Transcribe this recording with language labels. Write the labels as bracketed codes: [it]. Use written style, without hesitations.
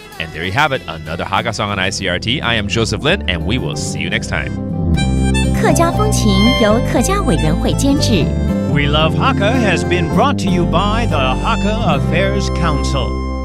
[en] And there you have it, another Hakka song on ICRT. I am Joseph Lin, and we will see you next time. [zh] 客家风情由客家委员会监制。 [en] We Love Hakka has been brought to you by the Hakka Affairs Council.